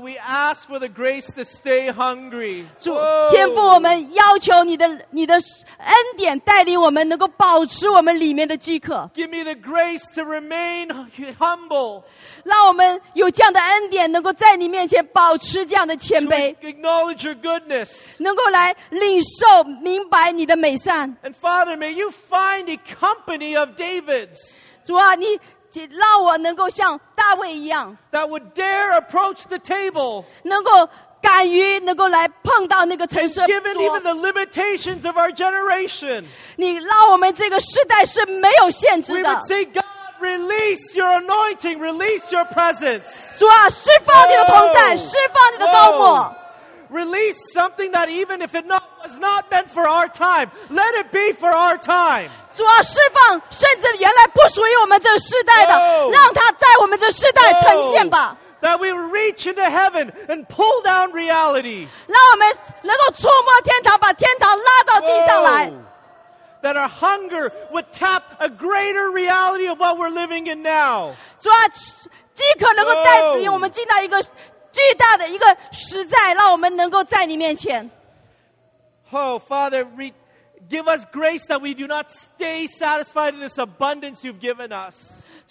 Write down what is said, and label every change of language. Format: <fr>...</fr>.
<en>we ask for the grace to stay hungry.</en> <zh>主，天父，我们要求你的恩典带领我们能够保持我们里面的饥渴。</zh> <en>Give me the grace to remain humble.</en> <zh>让我们有这样的恩典能够在你面前保持这样的谦卑。</zh> <en>To acknowledge your goodness.</en> <zh>能够来领受明白你的美善。</zh> <en>And Father, may you find a company of Davids.</en> <zh>主啊，你 让我能够像大卫一样,</zh> <en>that would dare approach the table,</en> <zh>能够敢于, 能够来碰到那个陈设,</zh> <en>and given even the limitations of our generation,</en> <zh>你让我们这个世代是没有限制的,</zh> <en>we would say, God, release your anointing, release your presence.</en> <zh>主啊, 释放你的同在, 释放你的高牧,</zh> <en>release something that even if it not, was not meant for our time, let it be for our time.</en> <zh>主啊,释放,甚至原来不属于我们这世代的, oh, 让它在我们这世代呈现吧。</zh> <en>That we reach into heaven and pull down reality.</en> <zh>让我们能够触摸天堂,把天堂拉到地上来。 Oh,</zh> <en>that our hunger would tap a greater reality of what we're living in now.</en> <zh>主啊,饥渴能够带领我们进到一个巨大的一个实在,让我们能够在你面前。</zh> <en>Oh, Father, give us grace that we do not stay satisfied in this abundance you've given us.</en>